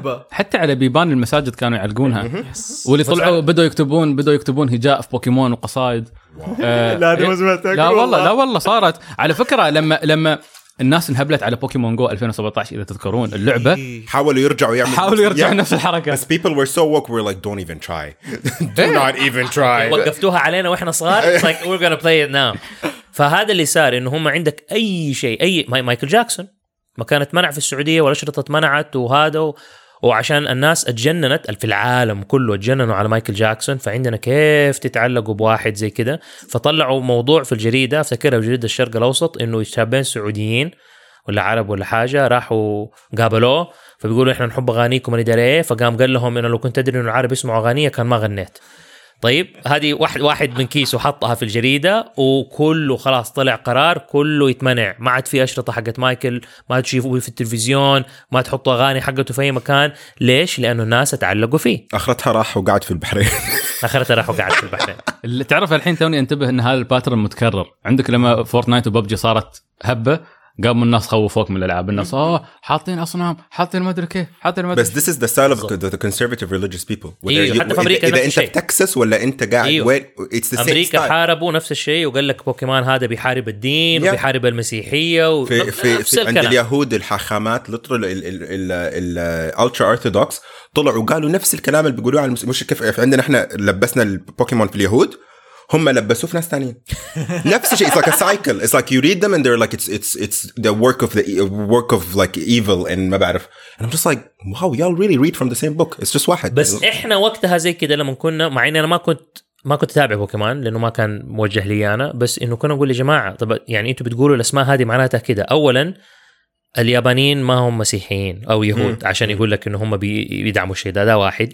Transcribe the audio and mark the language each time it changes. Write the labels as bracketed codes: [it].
[ar] حتى على بيبان المساجد كانوا يعلقونها واللي طلعوا بدوا يكتبون هجاء في بوكيمون وقصائد. لا لا والله، لا والله صارت على فكرة، لما الناس انهبلت على بوكيمون جو 2017 إذا تذكرون اللعبة، حاولوا يرجعوا نفس الحركة. بس [en] people were so woke we're like don't even try do not even try. [ar] وقفتوها علينا وإحنا صغار [en] like we're gonna play it now. [ar] فهذا اللي صار، إنه هم عندك أي شيء، أي مايكل جاكسون ما كانت منع في السعودية ولا شرطة منعت وهذا، وعشان الناس اتجننت في العالم كله اتجننوا على مايكل جاكسون، فعندنا كيف تتعلقوا بواحد زي كده. فطلعوا موضوع في الجريدة، افتكرها بجريدة الشرق الاوسط، انه شابين سعوديين ولا عرب ولا حاجة راحوا قابلوه، فبيقولوا احنا نحب اغانيكم، انا داري ايه، فقام قال لهم انه لو كنت ادري انه العرب يسمعوا اغانية كان ما غنيت. طيب هذه واحد من كيس وحطها في الجريدة وكله خلاص طلع قرار كله يتمنع، ما عاد في أشرطة حقت مايكل، ما عاد تشوفه في التلفزيون، ما تحطوا أغاني حقته في أي مكان. ليش؟ لأنه الناس تعلقوا فيه. أخرتها راح وقعد في البحرين. أخرتها راح وقعد في البحرين. اللي تعرف الحين توني انتبه أن هذا الباترن متكرر عندك. لما فورتنايت وببجي صارت هبة قاموا الناس خوفوك من الألعاب، الناس حاطين أصنام، حاطين ما أدري كيف، حاطين ما أدري. بس [en] this is the style of the conservative religious people. [ar] حتى في أمريكا إذا أنت في تكساس ولا أنت قاعد [en] it's the same America style. [ar] حاربوا نفس الشيء وقال لك بوكيمان هذا بيحارب الدين وبيحارب المسيحية في عند اليهود الحاخامات لطر ال ultra orthodox طلعوا قالوا نفس الكلام اللي بيقولوه على المسيح. مش كيف عندنا إحنا لبسنا البوكيمان في اليهود، هم لبسوا في ناس تانين. نفس الشيء. [en] It's like a cycle. It's like you read them and they're like it's the work of like evil and [ar] ما بعرف. [en] And I'm just like wow, y'all really read from the same book. It's just [ar] واحد. بس إحنا وقتها زي كده لما كنا، مع إني أنا ما كنت تابع بوكيمان لأنه ما كان موجه لي أنا، بس إنه كنا نقول يا جماعة طب يعني أنتوا بتقولوا الأسماء هذه معناتها كده. أولا اليابانيين ما هم مسيحيين أو يهود عشان يقول لك إنه هم بيدعموا الشيء ده، ده واحد.